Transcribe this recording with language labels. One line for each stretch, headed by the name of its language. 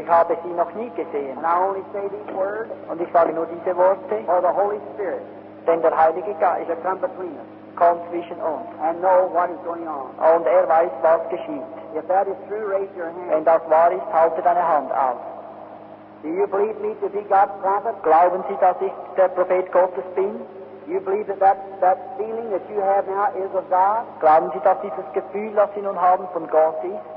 German: Ich habe sie noch nie gesehen.
English: And I only say these words.
German: Und ich sage nur diese Worte.
English: For the Holy Spirit.
German: Denn der Heilige Geist.
English: That come between us.
German: Kommt zwischen uns.
English: And know what is going on.
German: Und er weiß, was geschieht.
English: If that is true, raise your hand.
German: Wenn das wahr ist, halte deine Hand auf.
English: Do you believe me to be God's prophet?
German: Glauben Sie, dass ich der Prophet Gottes bin?
English: You believe that feeling that you have now is of God?
German: Glauben Sie, dass dieses Gefühl, das Sie nun haben, von Gott ist?